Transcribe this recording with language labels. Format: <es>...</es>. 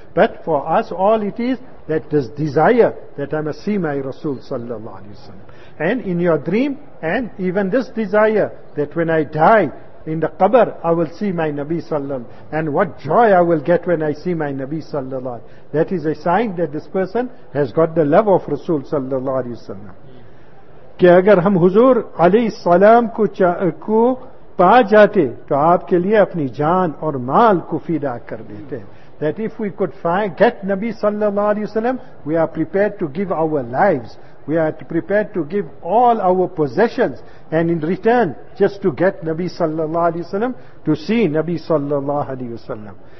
<en>But for us all it is that this desire that I must see my Rasul sallallahu alayhi wasallam. And in your dream, and even this desire that when I die in the qabr, I will see my Nabi sallallahu alayhi wasallam. And what joy I will get when I see my Nabi sallallahu alayhi wasallam. That is a sign that this person has got the love of Rasul sallallahu alayhi wasallam.</en> <ur>کہ اگر ہم حضور علیہ السلام کو پا جاتے تو آپ کے لئے اپنی جان اور مال کو فدا کر دیتے.</ur> <en>That if we could get Nabi sallallahu alayhi wasallam, we are prepared to give our lives, we are prepared to give all our possessions, and in return just to get Nabi sallallahu alayhi wasallam, to see Nabi sallallahu alayhi wasallam.</en>